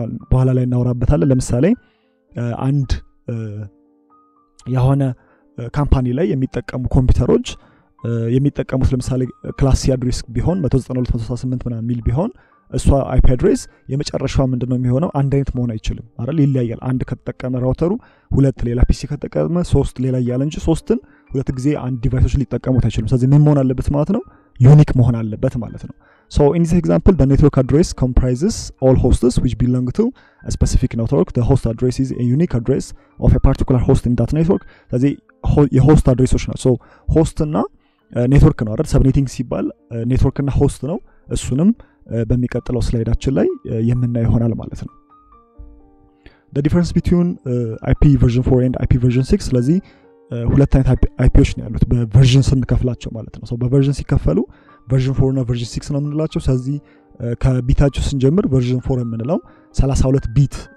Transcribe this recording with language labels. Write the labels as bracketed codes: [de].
[am] በኋላ ላይ እናወራበታለን። ለምሳሌ አንድ የሆነ ካምፓኒ ላይ የሚጠቀሙ ኮምፒውተሮች የሚጠቀሙት ለምሳሌ ክላስ C address ቢሆን 192.168 ምናምን ሚል ቢሆን እሷ IP address የመጨረሻው ምንድነው የሚሆነው አንድ አይነት መሆን አይችልም አይደል? ይለያያል። አንድ ከተጠቀመ ራውተሩ ሁለት ሌላ PC ከተጠቀመ ሶስት ሌላ ይያል እንጂ ሶስቱን ሁለት ጊዜ አንድ ዲቫይሶች ሊጠቀሙት አይችልም። ስለዚህ ምን መሆን አለበት ማለት ነው ዩኒክ መሆን አለበት ማለት ነው። [en] So in this example the network address comprises all hosts which belong to a specific network. The host address is a unique address of a particular host in that network. [am] ስለዚህ የሆስት አድሬሶች ነው። So host እና network ነው አይደል? Subnetting ሲባል network እና host ነው። እሱንም በሚቀጥለው ስላይዳችን ላይ የምናየው ይሆናል ማለት ነው። [en] The difference between IP version 4 and IP version 6 [am] ስለዚህ ሁለት አይነት IPዎች ነው ያሉት በቨርዥን ስንከፍላቸው ማለት ነው። So በቨርዥን ሲከፈሉ version 4 እና version 6 ነው የምንላቸው። ስለዚህ ከቢታቸው ስንጀምር version 4 የምንለው 32 ቢት